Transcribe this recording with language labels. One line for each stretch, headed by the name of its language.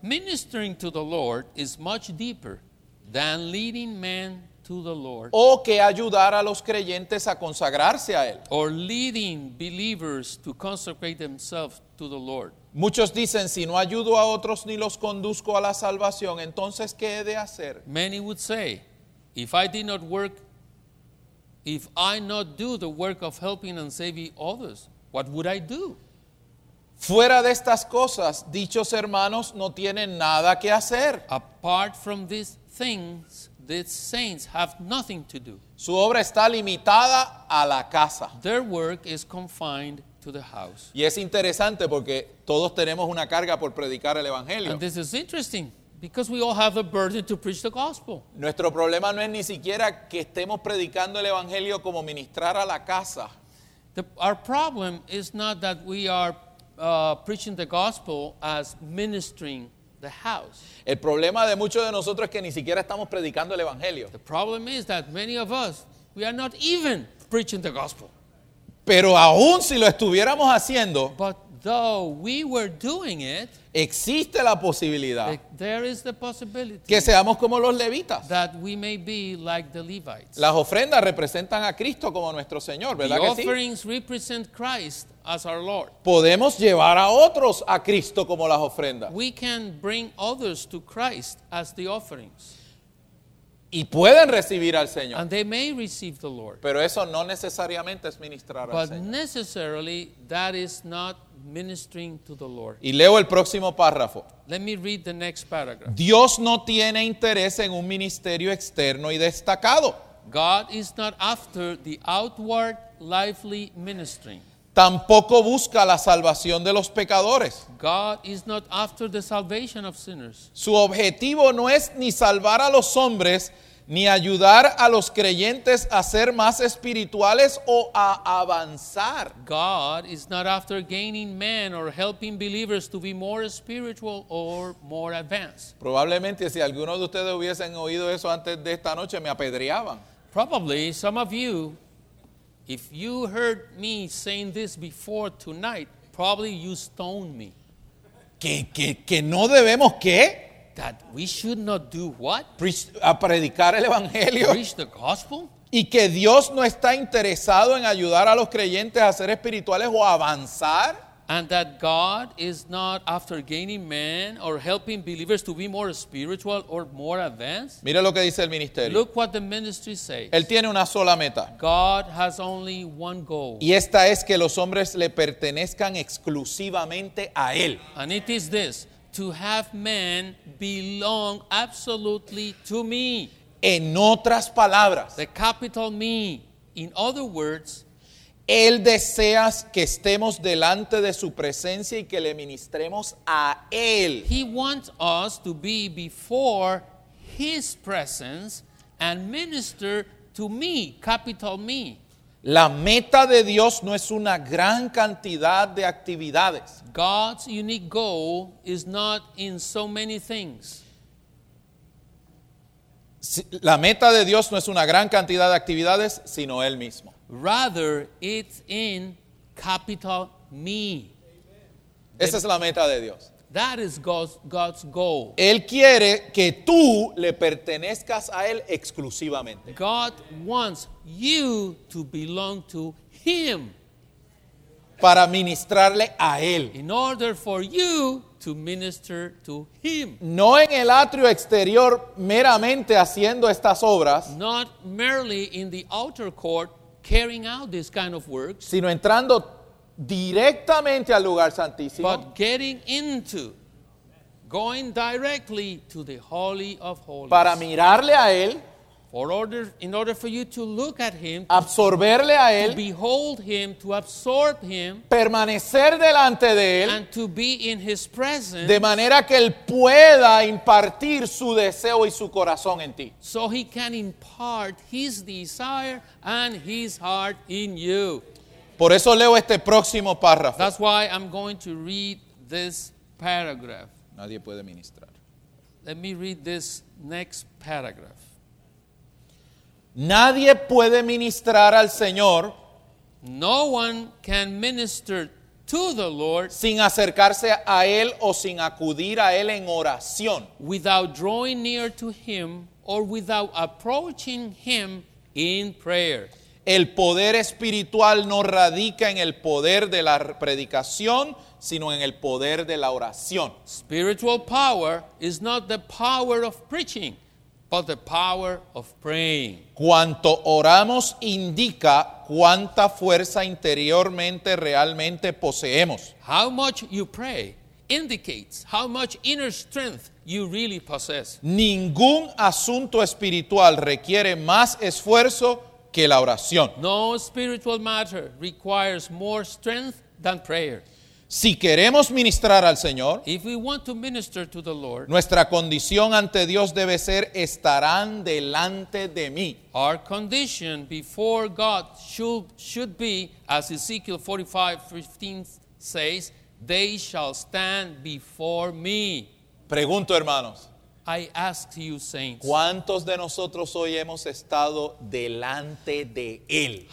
English: Ministering to the Lord is much deeper than leading men to the Lord.
Spanish: O que ayudar a los creyentes a consagrarse a Él.
English: Or leading believers to consecrate themselves to the Lord.
Spanish: Muchos dicen, si no ayudo a otros ni los conduzco a la salvación, entonces ¿qué he de hacer?
English: Many would say, if I not do the work of helping and saving others, what would I do?
Spanish: Fuera de estas cosas, dichos hermanos no tienen nada que hacer.
English: Apart from these things, these saints have nothing to do.
Spanish: Su obra está limitada a la casa.
English: Their work is confined to the house.
Spanish: Y es interesante porque todos tenemos una carga por predicar el evangelio.
English: And this is interesting. Because we all have a burden to preach the gospel.
Spanish: Nuestro problema no es ni siquiera que estemos predicando el evangelio como ministrar a la casa.
English: Our problem is not that we are preaching the gospel as ministering the house.
Spanish: El problema de muchos de nosotros es que ni siquiera estamos predicando el evangelio.
English: The problem is that many of us, we are not even preaching the gospel.
Spanish: Pero aun si lo estuviéramos haciendo,
English: but though we were doing it,
Spanish: existe la posibilidad,
English: there is the possibility,
Spanish: que seamos como los levitas,
English: that we may be like the Levites.
Spanish: Las ofrendas representan a Cristo como nuestro Señor, ¿verdad que sí?
English: The offerings represent Christ as our Lord.
Spanish: Podemos llevar a otros a Cristo como las ofrendas.
English: We can bring others to Christ as the offerings.
Spanish: Y pueden recibir al Señor.
English: And they may receive the Lord.
Spanish: Pero eso no necesariamente es ministrar
English: but
Spanish: al Señor.
English: But necessarily that is not ministering to the Lord.
Spanish: Y leo el próximo párrafo.
English: Let me read the next paragraph.
Spanish: Dios no tiene interés en un ministerio externo y destacado.
English: God is not after the outward lively ministering.
Spanish: Tampoco busca la salvación de los pecadores.
English: God is not after the salvation of sinners.
Spanish: Su objetivo no es ni salvar a los hombres ni ayudar a los creyentes a ser más espirituales o a avanzar.
English: God is not after gaining men or helping believers to be more spiritual or more advanced.
Spanish: Probablemente si alguno de ustedes hubiesen oído eso antes de esta noche me apedreaban.
English: Probably some of you, if you heard me saying this before tonight, probably you stoned me.
Spanish: ¿Que no debemos qué?
English: That we should not do what?
Spanish: A predicar el evangelio.
English: Preach the gospel.
Spanish: Y que Dios no está interesado en ayudar a los creyentes a ser espirituales o avanzar.
English: And that God is not after gaining men or helping believers to be more spiritual or more advanced.
Spanish: Mira lo que dice el ministerio.
English: Look what the ministry says.
Spanish: Él tiene una sola meta.
English: God has only one goal.
Spanish: Y esta es que los hombres le pertenezcan exclusivamente a Él.
English: And it is this. To have men belong absolutely to me.
Spanish: En otras palabras.
English: The capital me. In other words.
Spanish: Él desea que estemos delante de su presencia y que le ministremos a Él.
English: He wants us to be before His presence and minister to me, capital me.
Spanish: La meta de Dios no es una gran cantidad de actividades.
English: God's unique goal is not in so many things.
Spanish: La meta de Dios no es una gran cantidad de actividades, sino Él mismo.
English: Rather, it's in capital me.
Spanish: Esa es la meta de Dios.
English: That is God's goal.
Spanish: Él quiere que tú le pertenezcas a Él exclusivamente.
English: God wants you to belong to Him.
Spanish: Para ministrarle a Él.
English: In order for you to minister to Him.
Spanish: No en el atrio exterior meramente haciendo estas obras.
English: Not merely in the outer court carrying out this kind of works.
Spanish: Sino entrando directamente al lugar santísimo.
English: But getting into, going directly to the Holy of Holies.
Spanish: Para mirarle a Él.
English: In order for you to look at Him.
Spanish: Absorberle a Él.
English: To behold Him, to absorb Him.
Spanish: Permanecer delante de Él.
English: And to be in His presence.
Spanish: De manera que Él pueda impartir su deseo y su corazón en ti.
English: So He can impart His desire and His heart in you.
Spanish: Por eso leo este próximo párrafo.
English: That's why I'm going to read this paragraph.
Spanish: Nadie puede ministrar.
English: Let me read this next paragraph.
Spanish: Nadie puede ministrar al Señor.
English: No one can minister to the Lord.
Spanish: Sin acercarse a Él o sin acudir a Él en oración.
English: Without drawing near to Him or without approaching Him in prayer.
Spanish: El poder espiritual no radica en el poder de la predicación, sino en el poder de la oración.
English: Spiritual power is not the power of preaching, but the power of praying.
Spanish: Cuanto oramos indica cuánta fuerza interiormente realmente poseemos.
English: How much you pray indicates how much inner strength you really possess.
Spanish: Ningún asunto espiritual requiere más esfuerzo que la oración.
English: No spiritual matter requires more strength than prayer.
Spanish: Si queremos ministrar al Señor,
English: if we want to minister to the Lord,
Spanish: nuestra condición ante Dios debe ser estarán delante de mí.
English: Our condition before God should be, as Ezekiel 45:15 says, they shall stand before me.
Spanish: Pregunto, hermanos.
English: I ask you, saints.
Spanish: ¿Cuántos de nosotros hoy hemos estado delante de Él?